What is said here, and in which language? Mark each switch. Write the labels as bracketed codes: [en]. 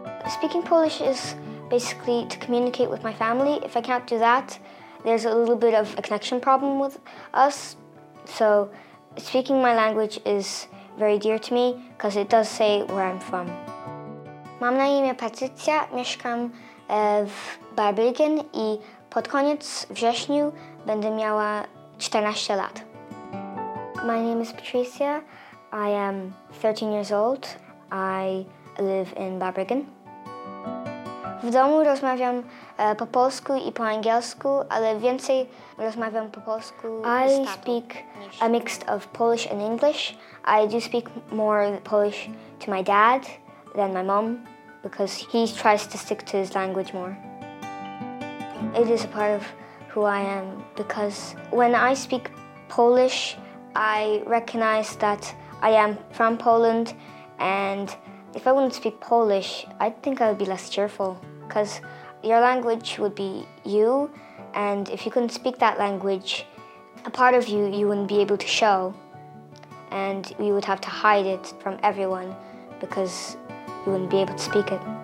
[en] Speaking Polish is basically to communicate with my family. If I can't do that, there's a little bit of a connection problem with us. So speaking my language is very dear to me because it does say where I'm from. [pl] Mam na imię Patrycja, mieszkam w Barbigen i pod koniec wrześniu będę miała 14 lat. [en] My name is Patricia. I am 13 years old. I live in Barbigen. [pl] W domu rozmawiam po polsku i po angielsku, ale więcej rozmawiam po polsku. [en] I speak a mix of Polish and English. I do speak more Polish to my dad than my mom because he tries to stick to his language more. It is a part of who I am because when I speak Polish, I recognize that I am from Poland, and if I wouldn't speak Polish, I think I would be less cheerful, because your language would be you, and if you couldn't speak that language, a part of you, you wouldn't be able to show, and you would have to hide it from everyone, because you wouldn't be able to speak it.